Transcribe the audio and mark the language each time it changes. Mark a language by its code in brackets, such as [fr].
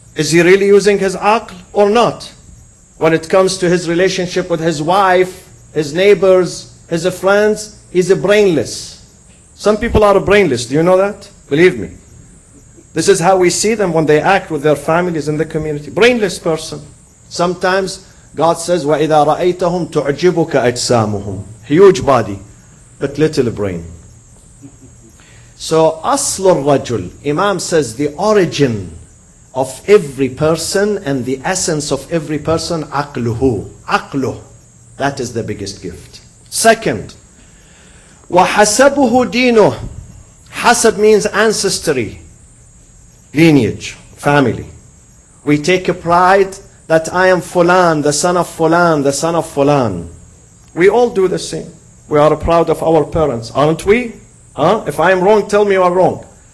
[en] Is he really using his aql or not? When it comes to his relationship with his wife, his neighbors, his friends, he's a brainless. Some people are brainless. Do you know that? Believe me. This is how we see them when they act with their families in the community. Brainless person. Sometimes God says, [ar] وَإِذَا رَأَيْتَهُمْ تُعْجِبُكَ أَجْسَامُهُمْ. [en] Huge body, but little brain. [ar] So, أصل الرجل. [en] Imam says the origin of every person and the essence of every person, عقلهُ. [ar] عقله. [en] That is the biggest gift. [ar] Second, وَحَسَبُهُ دِينُهُ. [en] حَسَب means ancestry, lineage, family. We take a pride that I am Fulan, the son of Fulan, the son of Fulan. We all do the same. We are proud of our parents, aren't we? Huh? If I am wrong, tell me you are wrong.